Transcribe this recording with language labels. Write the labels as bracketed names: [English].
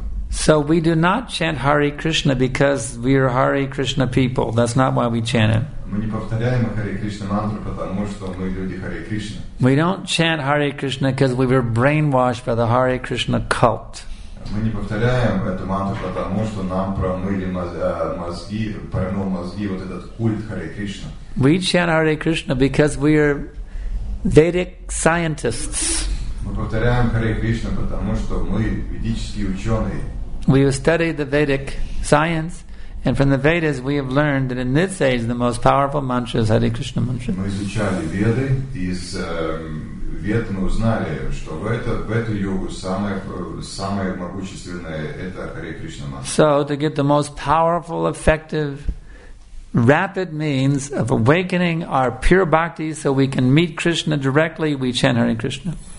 [English] So we do not chant Hare Krishna because we are Hare Krishna people. That's not why we chant it. We don't chant Hare Krishna because we were brainwashed by the Hare Krishna cult. [Russian] Мы не повторяем эту мантру, потому что нам промыли мозги, промыл мозги вот этот культ Харе Кришна. [English] We chant Hare Krishna because we are Vedic scientists. [Russian] Мы повторяем Харе Кришна, потому что мы ведические ученые. [English] We have studied the Vedic science, and from the Vedas we have learned that in this age the most powerful mantra is Hare Krishna mantra. [Russian] Мы изучали Веды, из Вед мы узнали, что в эту йогу самое могущественное это Харе Кришна мантра. [English] So to get the most powerful, effective, rapid means of awakening our pure bhakti, so we can meet Krishna directly, we chant Hare Krishna.